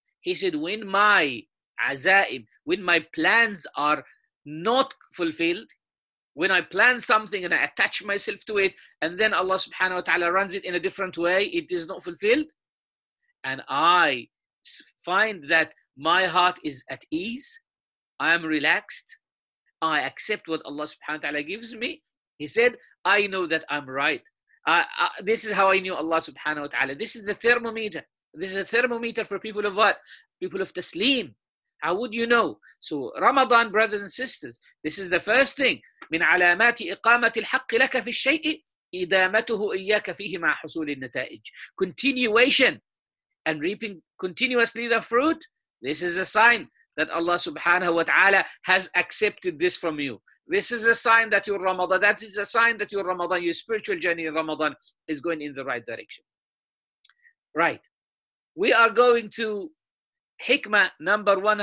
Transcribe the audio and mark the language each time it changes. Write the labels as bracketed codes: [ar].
[en] He said, when my عَزَائِم, when my plans are not fulfilled, when I plan something and I attach myself to it, and then Allah subhanahu wa ta'ala runs it in a different way, it is not fulfilled, and I find that my heart is at ease, I am relaxed, I accept what Allah subhanahu wa ta'ala gives me, he said, I know that I'm right. This is how I knew Allah subhanahu wa ta'ala. This is the thermometer. This is a thermometer for people of what? People of taslim. How would you know? So Ramadan, brothers and sisters, this is the first thing. [ar] من علامات إقامة الحق لك في الشيء إدامته إياك فيه مع حصول النتائج. [en] Continuation and reaping continuously the fruit. This is a sign that Allah subhanahu wa ta'ala has accepted this from you. This is a sign that your Ramadan, that is a sign that your Ramadan, your spiritual journey in Ramadan is going in the right direction. Right. We are going to Hikmah number